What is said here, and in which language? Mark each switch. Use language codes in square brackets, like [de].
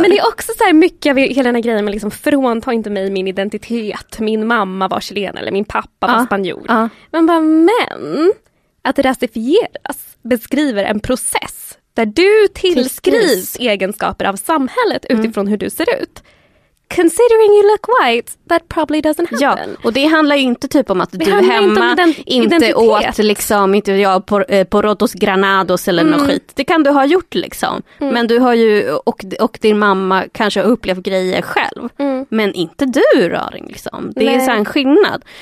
[sv] Men det är också så här mycket av hela den här grejen med liksom, frånta inte mig min identitet. Min mamma var chilen eller min pappa var spanjor. Men att rasifieras beskriver en process där du tillskrivs egenskaper av samhället utifrån hur du ser ut. [en] Considering you look white, that probably doesn't happen. [sv] Ja, och det handlar ju inte typ om att du hemma inte åt liksom, inte jag på Rotos Granados eller något skit. Det kan du ha gjort liksom. Mm. Men du har ju, och din mamma kanske har upplevt grejer själv. Mm. Men inte du, Raring, liksom. Det är så en skillnad.